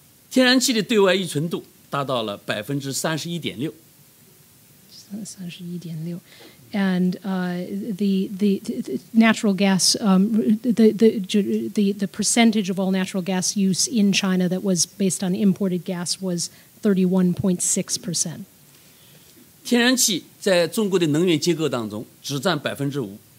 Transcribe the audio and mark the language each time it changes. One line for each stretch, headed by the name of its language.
Chinese: 天然气的对外依存度 达到了31.6%. 31.6%.
English: And the natural gas, the percentage of all natural gas use in China that was based on imported gas was 31.6%.
Chinese: 天然气在中国的能源结构当中只占58%.